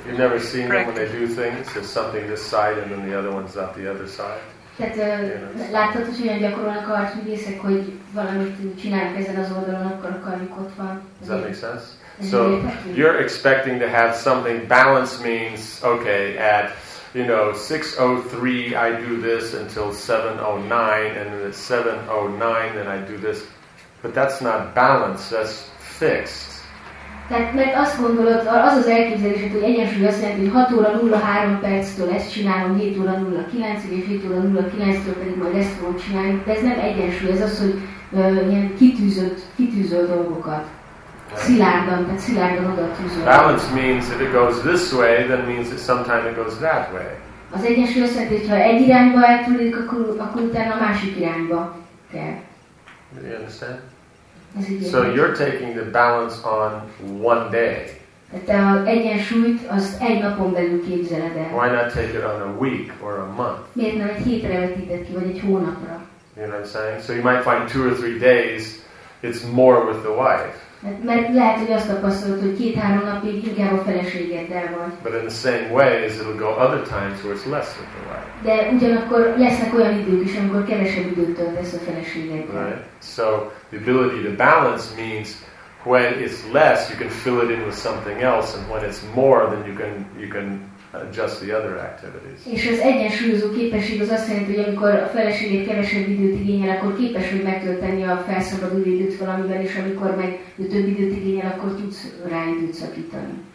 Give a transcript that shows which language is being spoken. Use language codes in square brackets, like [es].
[en] You've never seen them when they do things. There's something this side, and then the other one's up the other side. [hu] Láttad, hogy olyan gyakorolnak a harcművészek, hogy valamit csinálnak ezen az oldalon, akkor a karjuk ott van. [en] Does that make sense? So you're expecting to have something. Balance means okay. At 6:03, I do this until 7:09, and then at 7:09, then I do this. But that's not balance, that's fixed. [hu] Tehát mert azt gondolod, az az elképzelés, hogy egyensúly azt jelenti, hogy 6:03-tól ezt csinálom, 7:09-ig, és 7:09-től pedig majd ezt fogom csinálni. De ez nem egyensúly, ez az, hogy ilyen kitűzölt dolgokat. Szilárdan, tehát szilárdan oda tűzölt. [en] Balance means if it goes this way, then means that sometime it goes that way. [hu] Az egyensúly azt jelenti, hogy ha egy irányba eltűnik, akkor utána a másik irányba kell. [en] Do you understand? So you're taking the balance on one day. [hu] Te az egyensúlyt azt egy napon belül képzeled el. [en] Why not take it on a week or a month? [hu] Miért nem egy hétre vetíted ki, vagy egy hónapra? [en] You know what I'm saying? So you might find 2 or 3 days, it's more with the wife. [hu] Mert lehet, hogy azt tapasztalod, hogy 2-3 napig inkább a feleségeddel vagy. [en] But in the same way, it'll go other times where it's less with the wife. [hu] De ugyanakkor lesznek olyan idők is, amikor kevesebb időt töltesz a feleségeddel. [en] Right. So the ability to balance means when it's less, you can fill it in with something else, and when it's more, then you can adjust the other activities. [hu] És az egyensúlyozó képesség az azt jelenti, hogy amikor a feleséged kevesebb időt igényel, akkor képes vagy megtölteni a felszabaduló időt valamivel, és amikor meg több időt igényel, akkor tudsz rá időt szakítani.